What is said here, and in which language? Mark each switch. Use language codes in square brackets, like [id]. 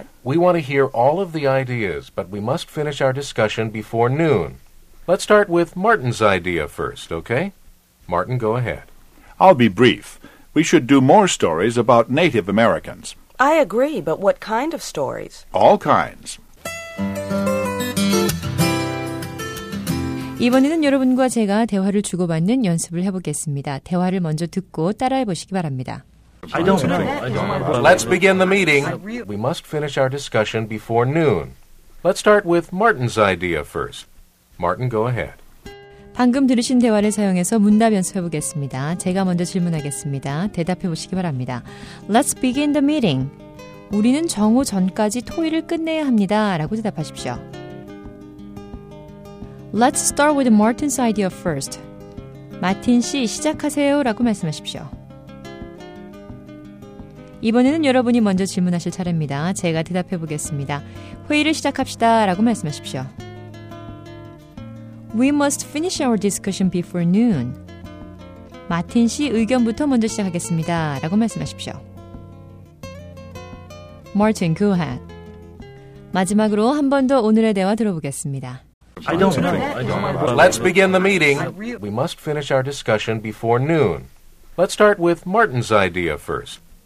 [en] We want to hear all of the ideas, but we must finish our discussion before noon. Let's start with Martin's idea first, okay? Martin, go ahead. I'll be brief. We should do more stories about Native Americans. I agree, but what kind of stories? All kinds. [ko] 이번에는 여러분과 제가 대화를 주고받는 연습을 해보겠습니다. 대화를 먼저 듣고 따라해보시기 바랍니다. [en] I don't know. Let's begin the meeting. We must finish our discussion before noon. Let's start with Martin's idea first. Martin, go ahead. [ko] 방금 들으신 대화를 사용해서 문답 연습해 보겠습니다. 제가 먼저 질문하겠습니다. 대답해 보시기 바랍니다. [en] Let's begin the meeting. [ko] 우리는 정오 전까지 토의를 끝내야 합니다. 라고 대답하십시오. [en] Let's start with Martin's idea first. [ko] 마틴 씨 시작하세요. 라고 말씀하십시오. 이번에는 여러분이 먼저 질문하실 차례입니다. 제가 대답해 보겠습니다. 회의를 시작합시다. 라고 말씀하십시오. [en] We must finish our discussion before noon. [ko] 마틴 씨 의견부터 먼저 시작하겠습니다. 라고 말씀하십시오. [en] Martin, go ahead. [ko] 마지막으로 한 번 더 오늘의 대화 들어보겠습니다. [en] I don't know. Let's begin the meeting. We must finish our discussion before noon. Let's start with Martin's idea first.